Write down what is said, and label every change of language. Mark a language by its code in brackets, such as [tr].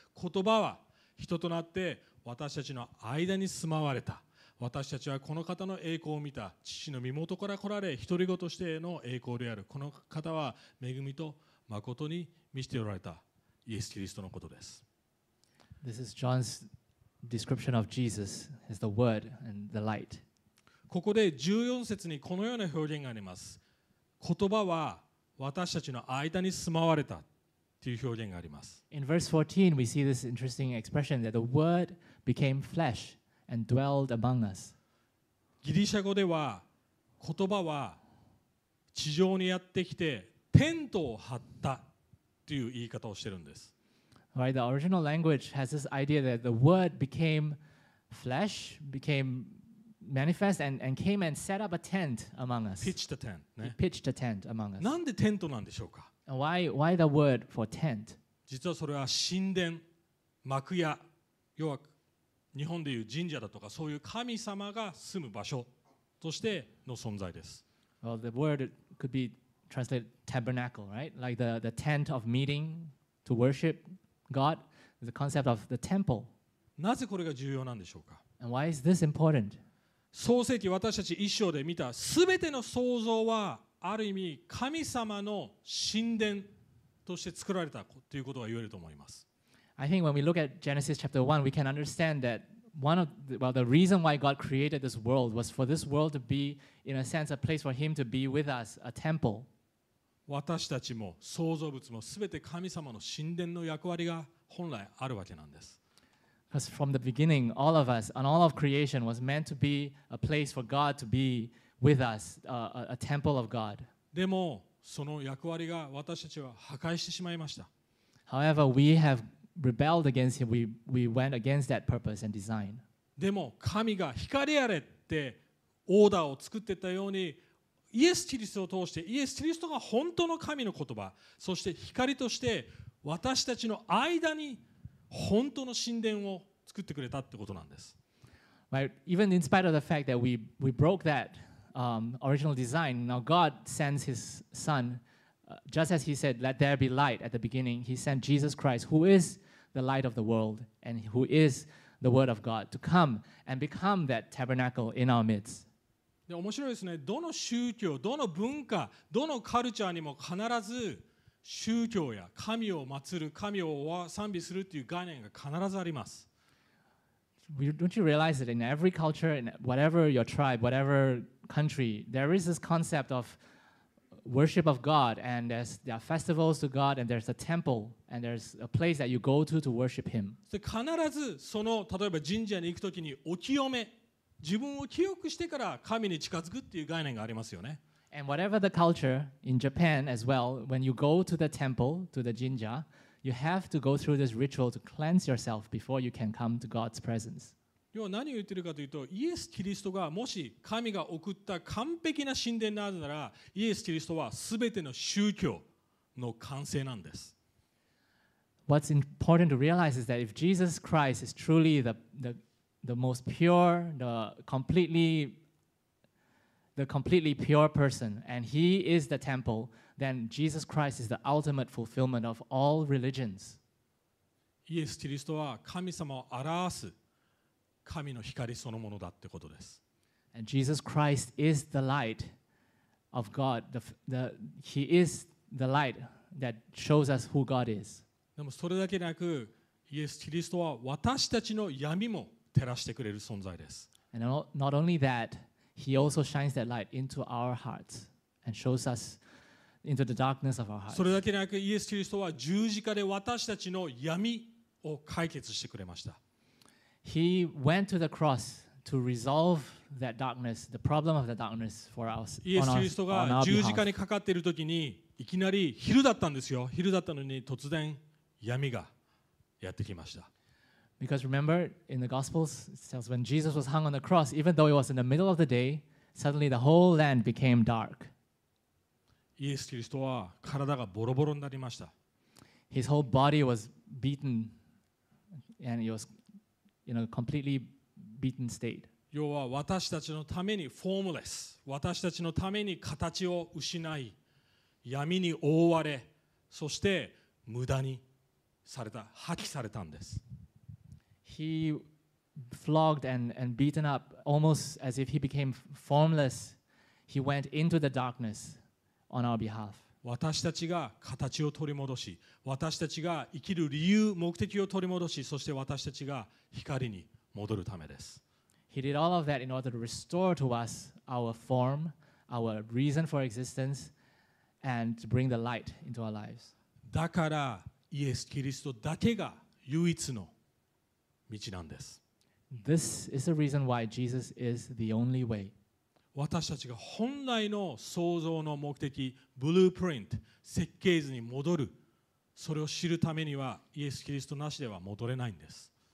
[ja] 言葉は人となって私たちの間に住まわれた。私たちはこの方の栄光を見た。父の身元から来られ、独り子としての栄光である。この方は恵みと誠に満ちておられたイエス・キリストのことです。 [en] This is John's description of Jesus as the Word and the Light. [ja] ここで14節にこのような表現があります。言葉は私たちの間に住まわれた。という表現があります。 [en] In verse 14, we see this interesting expression that the Word became flesh and dwelled among us. [ja] ギリシャ語では、言葉は地上にやってきてテントを張ったという言い方をしているんです。 [en] Right, the original language has this idea that the word became flesh, became manifest, and came and set up a tent among us. Pitched a tent. He pitched a tent among us. [ja] なんでテントなんでしょうか? [en] Why the word for tent? [ja] 実はそれは神殿、幕屋、要は日本でいう神社だとか、そういう神様が住む場所としての存在です。 [en] Well, the word could be translated tabernacle, right? Like the tent of meeting to worship. God, the concept of the temple. [ja] なぜこれが重要なんでしょうか? [en] And why is this important? [ja] 創世記私たち一章で見た全ての創造はある意味神様の神殿として作られたということが言えると思います。 [en] I think when we look at Genesis chapter 1, we can understand that the reason why God created this world was for this world to be, in a sense, a place for Him to be with us, a temple. [ja] 私たちも創造物もすべて神様の神殿の役割が本来あるわけなんです。 [en] Because from the beginning, all of us and all of creation was meant to be a place for God to be with us, a temple of God. [ja] でもその役割が私たちは破壊してしまいました。 [en] However, we have rebelled against Him. We went against that purpose and design. [ja] でも神が光あれってオーダーを作ってたように。イエス・キリストを通してイエス・キリストが本当の神の言葉そして光として私たちの間に本当の神殿を作ってくれたってことなんです。 [en] Right, even in spite of the fact that we broke that original design, now God sends His Son, just as He said, let there be light at the beginning, He sent Jesus Christ, who is the light of the world and who is the Word of God, to come and become that tabernacle in our midst. [ja] で面白いですね。どの宗教、どの文化、どのカルチャーにも必ず宗教や神を祀る、神を賛美するという概念が必ずあります。 [en] Don't you realize that in every culture, in whatever your tribe, whatever country, there is this concept of worship of God, and there are festivals to God, and there's a temple, and there's a place that you go to worship Him. [ja] 必ずその例えば神社に行くときにお清め。自分を清くしてから神に近づくっていう概念がありますよね。 [en] And whatever the culture in Japan as well, when you go to the temple, to the jinja, you have to go through this ritual to cleanse yourself before you can come to God's presence. [ja] 要は何を言ってるかというと、イエス・キリストがもし神が送った完璧な神殿なのなら、イエス・キリストは全ての宗教の完成なんです。 [en] What's important to realize is that if Jesus Christ is truly the most pure, the completely pure person, and He is the temple, then Jesus Christ is the ultimate fulfillment of all religions. [ja] イエス・キリストは神様を表す神の光そのものだってことです。 [en] And Jesus Christ is the light of God. He is the light that shows us who God is. [ja] でもそれだけなく、イエス・キリストは私たちの闇も照らしてくれる存在です。 [en] And not only that, He also shines that light into our hearts and shows us into the darkness of our hearts. [ja] それだけなく、イエス・キリストは十字架で私たちの闇を解決してくれました。 [en] He went to the cross to resolve that darkness, the problem of the darkness for us. [ja] イエス・キリストが十字架にかかっているときに、いきなり昼だったんですよ。昼だったのに突然闇がやってきました。 [en] Because remember, in the Gospels, it tells when Jesus was hung on the cross, even though it was in the middle of the day, suddenly the whole land became dark. [ja] イエス・キリストは体がボロボロになりました。 [en] His whole body was beaten, and he was in a completely beaten state. [ja] 要は私たちのために formless, 私たちのために形を失い、闇に覆われ、そして無駄にされた、破棄されたんです。 [en] He flogged and beaten up almost as if he became formless. He went into the darkness on our behalf. [ja] 私たちが形を取り戻し、私たちが生きる理由、目的を取り戻し、そして私たちが光に戻るためです。 [en] He did all of that in order to restore to us our form, our reason for existence, and to bring the light into our lives. [ja] だからイエス・キリストだけが唯一の道なんです。 [en] This is the reason why Jesus is the only way. [ja] 私たちが本来の創造の目的、ブループリント、設計図に戻る、それを知るためにはイエス・キリストなしでは戻れないんです。